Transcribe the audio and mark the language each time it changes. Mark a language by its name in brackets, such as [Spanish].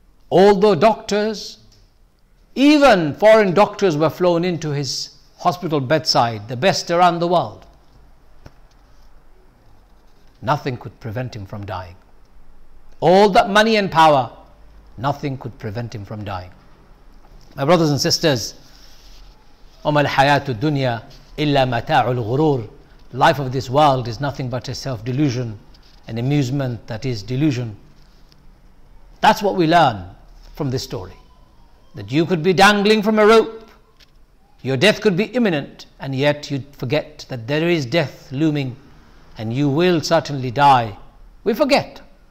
[English] All the doctors, even foreign doctors, were flown into his hospital bedside, the best around the world. Nothing could prevent him from dying. All that money and power, nothing could prevent him from dying. My brothers and sisters, [Arabic] وَمَا الْحَيَاةُ الدُّنْيَا إِلَّا مَتَاعُ الْغُرُورِ. [English] Life of this world is nothing but a self-delusion, an amusement that is delusion. That's what we learn from this story. That you could be dangling from a rope, your death could be imminent, and yet you'd forget that there is death looming, and you will certainly die. We forget.